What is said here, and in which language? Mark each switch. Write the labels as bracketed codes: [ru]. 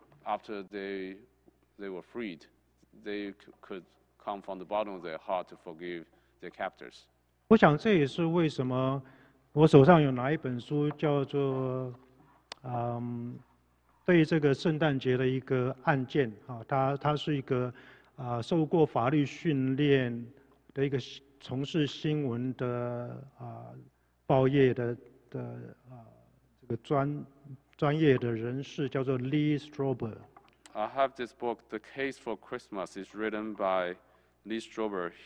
[en] After they were freed, they could come from the bottom of their heart to forgive their captors. [zh] 我想这也是为什么我手上有拿一本书，叫做对这个圣诞节的一个案件啊，他是一个受过法律训练的一个从事新闻的报业的这个专业的人士，叫做 Lee Strober. [en] I have this book, The Case for Christmas, is written by Lee Strober.